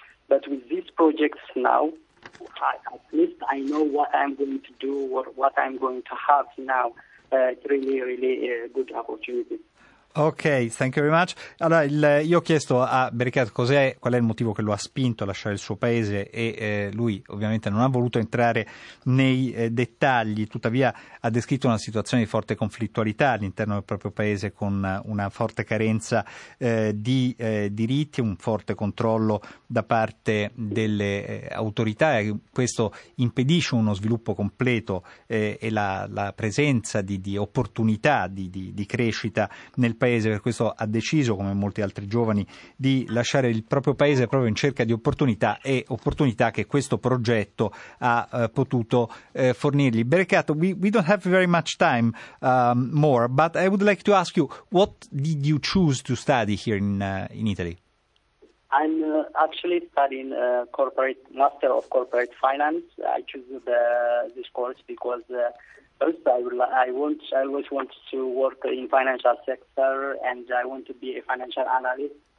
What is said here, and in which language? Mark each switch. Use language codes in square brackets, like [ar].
[en] But with these projects now, at least I know what I'm going to do or what I'm going to have now. It's really, really a good opportunity. Ok, thank you very much. [it] Allora, io ho chiesto a Berechet qual è il motivo che lo ha spinto a lasciare il suo paese e lui ovviamente non ha voluto entrare nei dettagli, tuttavia ha descritto una situazione di forte conflittualità all'interno del proprio paese con una forte carenza di diritti, un forte controllo da parte delle autorità e questo impedisce uno sviluppo completo e la presenza di opportunità di crescita nel paese. Per questo ha deciso, come molti altri giovani, di lasciare il proprio paese proprio in cerca di opportunità e opportunità che questo progetto ha potuto fornirgli. [en] Berechet, we don't have very much time more, but I would like to ask you, what did you choose to study here in Italy? I'm actually studying Master of Corporate Finance. I choose this course because first I always want to work in financial sector and I want to be a financial analyst.